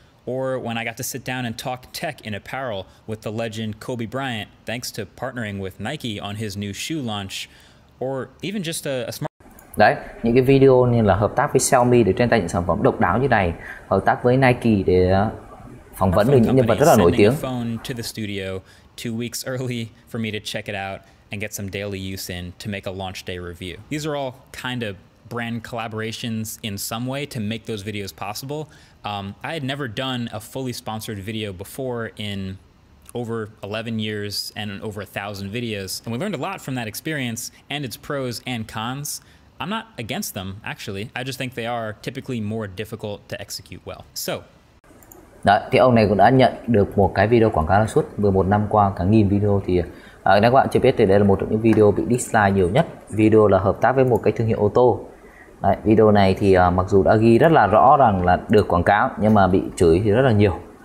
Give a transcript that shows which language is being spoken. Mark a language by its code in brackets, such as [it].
[en] Or when I got to sit down and talk tech in apparel with the legend Kobe Bryant, thanks to partnering with Nike on his new shoe launch, or even just a smart. [vi] Đấy, những cái video như là hợp tác với Xiaomi để trên tay những sản phẩm độc đáo như này, hợp tác với Nike để phỏng vấn được những nhân vật rất là nổi tiếng. [en] Phone to the studio 2 weeks early for me to check it out and get some daily use in to make a launch day review. These are all kind of brand collaborations in some way to make those videos possible. I had never done a fully sponsored video before in over 11 years and over 1,000 videos. And we learned a lot from that experience and its pros and cons. I'm not against them, actually. I just think they are typically more difficult to execute well. So. [vi] Đấy, thì ông này cũng đã nhận được một cái video quảng cáo suốt 11 năm qua cả nghìn video. Thì nếu các bạn chưa biết thì đây là một trong những video bị dislike nhiều nhất. Video là hợp tác với một cái thương hiệu ô tô. Đấy, video này thì mặc dù đã ghi rất là rõ rằng là được quảng cáo nhưng mà bị chửi thì rất là nhiều.